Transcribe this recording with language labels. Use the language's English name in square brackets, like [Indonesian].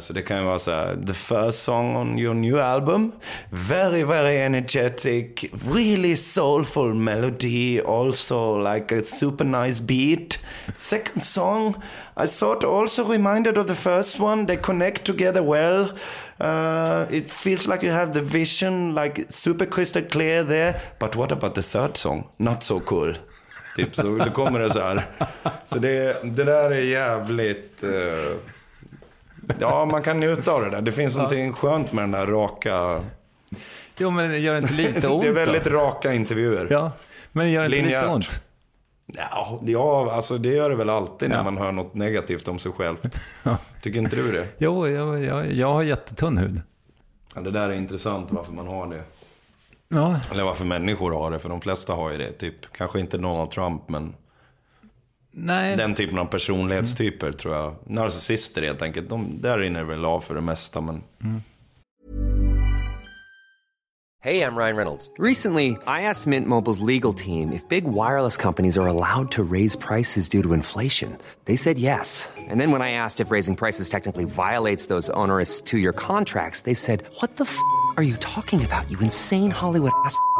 [Swedish] Så det kan ju vara så här: [English] the first song on your new album, very very energetic, really soulful melody, also like a super nice beat. Second song, I thought also reminded of the first one, they connect together well. It feels like you have the vision like super crystal clear there, but what about the third song? Not so cool. [Swedish] Typ, så då kommer det så här. Så det där är jävligt... Ja, man kan njuta av det där. Det finns någonting skönt med den där raka... Jo, men det gör inte lite ont. Det är väldigt raka intervjuer. Ja, men det gör inte lite ont. Ja, alltså det gör det väl alltid när man hör något negativt om sig själv. Tycker inte du det? Jo, jag har jättetunn hud. Ja, det där är intressant varför man har det. Ja. Eller varför människor har det, för de flesta har ju det. Typ, kanske inte Donald Trump, men nej, den typen av personlighetstyper tror jag. Narcissister helt enkelt, där rinner väl av för det mesta. Men... [English] Hey, I'm Ryan Reynolds. Recently, I asked Mint Mobile's legal team if big wireless companies are allowed to raise prices due to inflation. They said yes. And then when I asked if raising prices technically violates those onerous two-year contracts, they said, what the f*** are you talking about, you insane Hollywood ass?